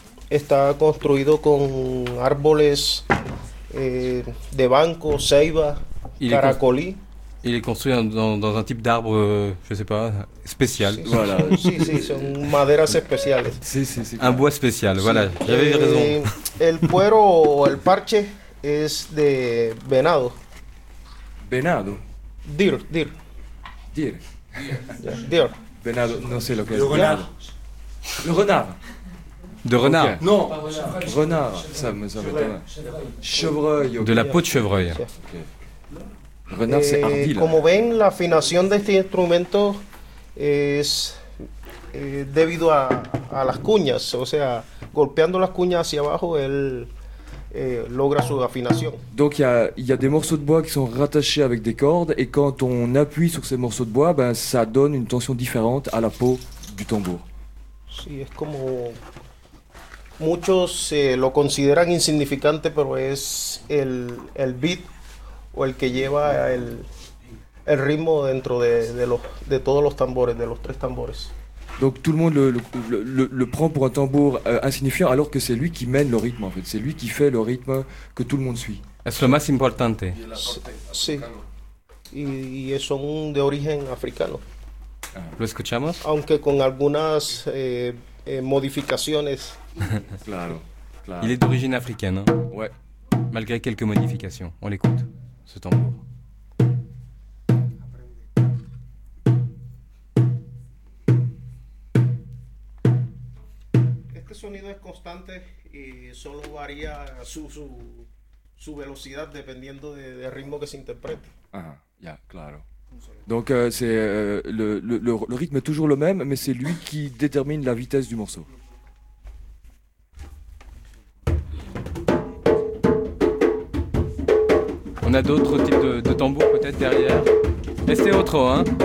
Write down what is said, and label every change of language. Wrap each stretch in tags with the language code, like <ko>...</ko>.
<es>Está construido con árboles de banco, ceiba, caracolí.</es> <fr>Il est construit dans un type d'arbre, je sais pas, spécial.</fr> <es>Si,</es> <fr>voilà.</fr> <es>Si, son maderas especiales. Si.</es> <fr>Un bois spécial, si. Voilà, j'avais raison.</fr> <es>El cuero o el parche es de venado. Venado.</es> <en>Deer. Deer. Deer.</en> <es>Venado, no sé lo que le es.</es> <fr>Renard. Le renard. De renard. Okay. Non, pas renard. Renard, ça me semble étonnant. Chevreuil. De la peau de chevreuil. Renard, c'est ardil.</fr> <es>Como ven, la afinación de este instrumento es debido a las cuñas, o sea, golpeando las cuñas hacia abajo, él logra su afinación.</es> <fr>Donc il y a des morceaux de bois qui sont rattachés avec des cordes, et quand on appuie sur ces morceaux de bois, ben ça donne une tension différente à la peau du tambour.</fr> <es>Sí, es como muchos lo consideran insignificante, pero es el beat. O el que lleva el ritmo dentro de todos los tambores, de los tres tambores.</es> <fr>Donc tout le monde le prend pour un tambour insignifiant, alors que c'est lui qui mène le rythme, en fait. C'est lui qui fait le rythme que tout le monde suit.</fr> <es>Es lo más importante. Sí. Y son de origen africano. Lo escuchamos. Aunque con algunas modificaciones. Claro.</es> <fr>Il est d'origine africaine. Hein? Ouais. Malgré quelques modifications. On l'écoute. Ce tambour.</fr> <es>Este sonido es constante y solo varía su velocidad dependiendo del ritmo que se interprete. Ah, ya, claro.</es> <fr>Donc c'est le rythme est toujours le même, mais c'est lui qui détermine la vitesse du morceau. On a d'autres types de tambours peut-être derrière. Et c'est autre, hein.</fr>